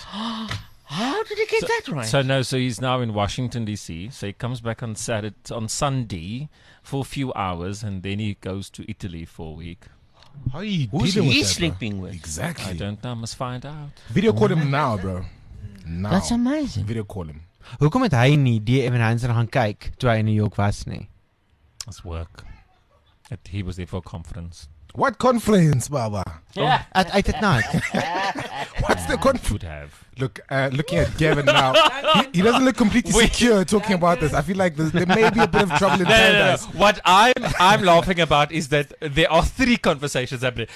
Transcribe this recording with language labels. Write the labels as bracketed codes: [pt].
[en] How did he get that right? So he's now in Washington, D.C. So he comes back on Saturday, on Sunday for a few hours, and then he goes to Italy for a week. How are you dealing with that, sleeping with? Exactly. I don't know. I must find out. Video call him now, bro. Now. That's amazing. Video call him. [af] Hoe kom het hy nie die Evan Hansen gaan kyk toe hy in New York was nie? [en] It's work. He was there for a conference. What conference, Baba? Yeah. Oh, at 8 at night. What's the conference? Would have. Look, looking at Gavin now, he doesn't look completely secure talking about this. I feel like there may be a bit of trouble in paradise. What I'm laughing about is that there are three conversations happening.